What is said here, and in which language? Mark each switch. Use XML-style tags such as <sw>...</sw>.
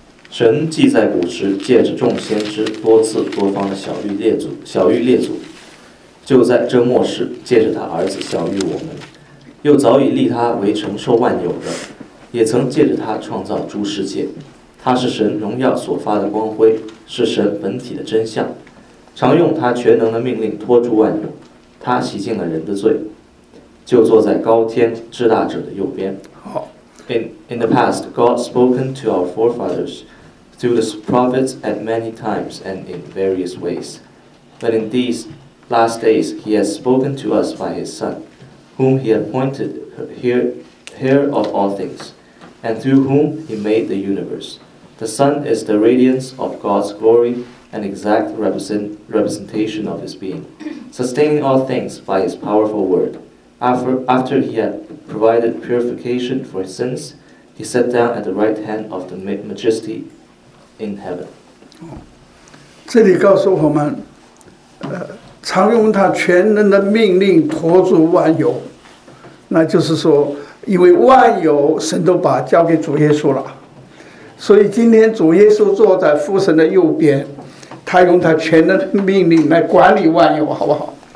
<zh>神既在古时借着众先知多次多方的小谕列祖，就在这末世借着他儿子小谕我们，又早已立他为承受万有的，也曾借着他创造诸世界。他是神荣耀所发的光辉，是神本体的真相，常用他全能的命令托住万有。他洗净了人的罪，就坐在高天至大者的右边。</zh> <en>In the past, God spoken to our forefathers through the prophets at many times and in various ways. But in these last days, he has spoken to us by his Son, whom he appointed heir of all things, and through whom he made the universe. The Son is the radiance of God's glory and exact representation of his being, sustaining all things by his powerful word. After he had provided purification for his sins, he sat down at the right hand of the majesty in heaven.</en> <zh>这里告诉我们常用他全能的命令托住万有，那就是说因为万有神都把交给主耶稣了，所以今天主耶稣坐在父神的右边，他用他全能的命令来管理万有，好不好？</zh>